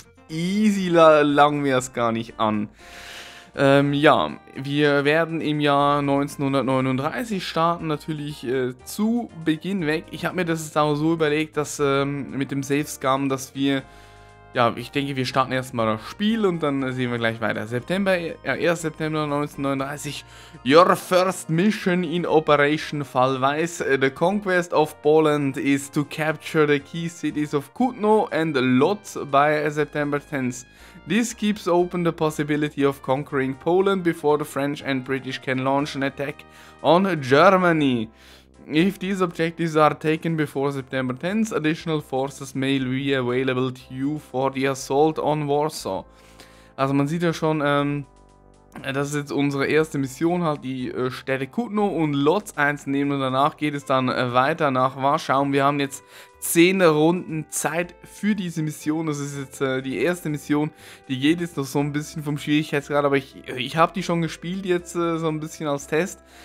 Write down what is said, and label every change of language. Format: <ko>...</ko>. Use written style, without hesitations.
<de>Easy langen wir es gar nicht an. Wir werden im Jahr 1939 starten, natürlich zu Beginn weg. Ich habe mir das jetzt auch so überlegt, dass mit dem Safe-Scum, dass wir, ja, ich denke, wir starten erstmal das Spiel und dann sehen wir gleich weiter.</de> <en>September, 1. September 1939, your first mission in Operation Fallweiss, the conquest of Poland is to capture the key cities of Kutno and Lodz by September 10th. This keeps open the possibility of conquering Poland before the French and British can launch an attack on Germany. If these objectives are taken before September 10th, additional forces may be available to you for the assault on Warsaw.</en> <de>Also man sieht ja schon, das ist jetzt unsere erste Mission, halt die Städte Kutno und Lodz einzunehmen, und danach geht es dann weiter nach Warschau. Wir haben jetzt 10 Runden Zeit für diese Mission. Das ist jetzt die erste Mission, die geht jetzt noch so ein bisschen vom Schwierigkeitsgrad, aber ich habe die schon gespielt jetzt so ein bisschen als Test.</de>